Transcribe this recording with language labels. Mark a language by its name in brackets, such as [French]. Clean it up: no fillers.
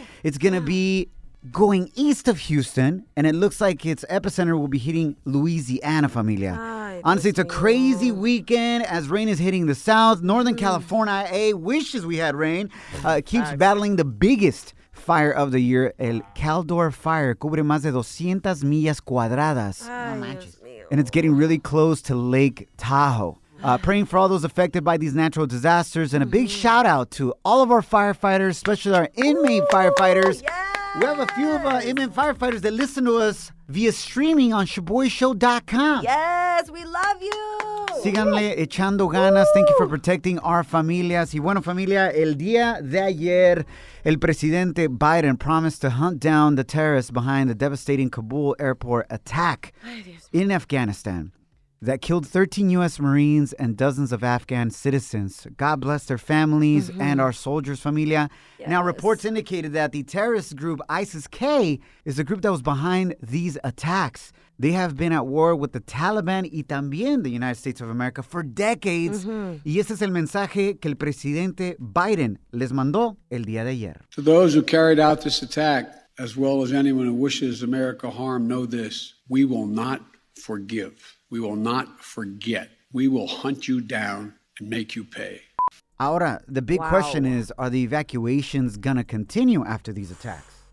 [English] It's going to be going east of Houston, and it looks like its epicenter will be hitting Louisiana, familia. Honestly, it's a crazy weekend as rain is hitting the south. Northern California, wishes we had rain, keeps battling the biggest fire of the year. [Spanish] El Caldor Fire cubre más de 200 millas cuadradas. [English] And it's getting really close to Lake Tahoe. Praying for all those affected by these natural disasters. And a big shout out to all of our firefighters, especially our inmate firefighters. Yes. We have a few of our inmate firefighters that listen to us via streaming on ShaboyShow.com. Yes, we love you. [Spanish] Síganle echando ganas. [English] Woo. Thank you for protecting our familias. [Spanish] Y bueno, familia, el día de ayer, el presidente Biden [English] promised to hunt down the terrorists behind the devastating Kabul airport attack in Afghanistan. That killed 13 U.S. Marines and dozens of Afghan citizens. God bless their families and our soldiers, familia. Yes. Now, reports indicated that the terrorist group ISIS-K is the group that was behind these attacks. They have been at war with the Taliban [Spanish] y también [English] the United States of America for decades. [Spanish] Y ese es el mensaje que el presidente Biden les mandó el día de ayer. [English] To those who carried out this attack, as well as anyone who wishes America harm, know this. We will not forgive. We will not forget. We will hunt you down and make you pay. [Spanish] Ahora, [English] the big question is, are the evacuations going to continue after these attacks?